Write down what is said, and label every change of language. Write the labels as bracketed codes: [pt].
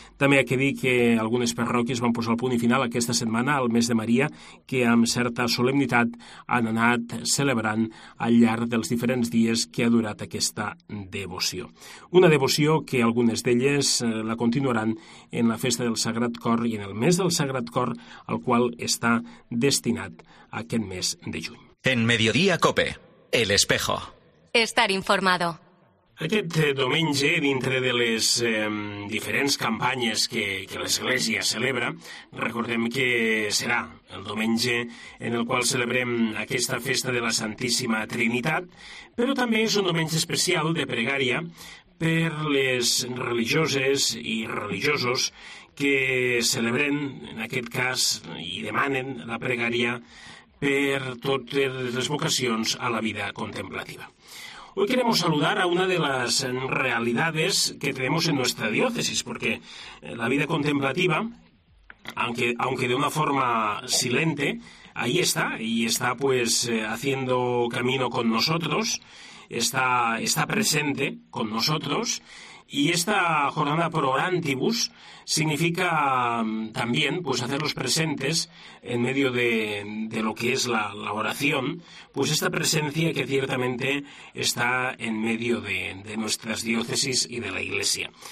[ca] També ha que dir que algunes parròquies van posar el punt i final aquesta setmana al mes de Maria, que amb certa solemnitat han anat celebrant al llarg dels diferents dies que ha durat aquesta devoció. Una devoció que algunes d'elles la continuaran en la festa del Sagrat Cor i en el mes del Sagrat Cor, al qual està destinat aquest mes de juny. [es] En Mediodía COPE, El Espejo. Estar informado. [ca] Aquest diumenge, dintre de les diferents campanyes que l'Església celebra, recordem que serà el diumenge en el qual celebrem aquesta festa de la Santíssima Trinitat, però també és un diumenge especial de pregària per les religioses i religiosos que celebren, en aquest cas, i demanen la pregària per totes les vocacions a la vida contemplativa. [es] Hoy queremos saludar a una de las realidades que tenemos en nuestra diócesis, porque la vida contemplativa, aunque de una forma silente, ahí está, y está pues haciendo camino con nosotros, está presente con nosotros, y esta jornada pro orantibus significa también pues hacerlos presentes en medio de lo que es la oración, pues esta presencia que ciertamente está en medio de nuestras diócesis y de la Iglesia.